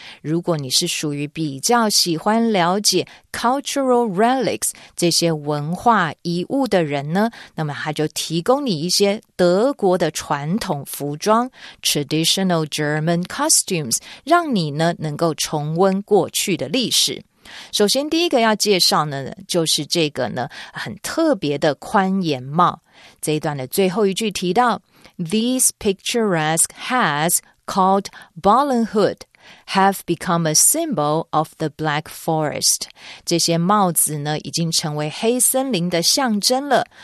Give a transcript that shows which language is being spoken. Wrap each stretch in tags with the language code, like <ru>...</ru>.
<zh>如果你是属于比较喜欢了解 cultural relics 这些文化遗物的人呢，那么他就提供你一些德国的传统服装 traditional German costumes，让你呢能够重温过去的历史。首先第一个要介绍呢，就是这个呢很特别的宽檐帽。</zh> <en>这一段的最后一句提到 These picturesque hats called Ballenhut have become a symbol of the Black Forest.</en> <zh>这些帽子呢已经成为黑森林的象征了。</zh>